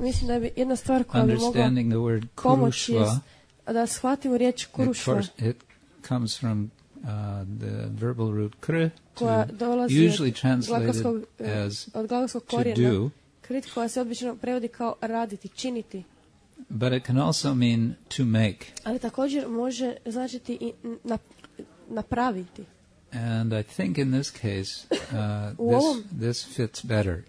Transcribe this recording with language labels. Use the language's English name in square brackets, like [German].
[Croatian] mislim da bi jedna stvar koja bi mogla pomoći je da shvatimo riječ kurušva. [English] It comes from the verbal root kr, usually translated as [Croatian] od glagolskog korijena, [English] to do. [Croatian] Krit, koja se obično prevodi kao raditi, činiti. [English] But it can also mean to make. [Croatian] Ali također može značiti i napraviti. [English] And I think in this case this fits better.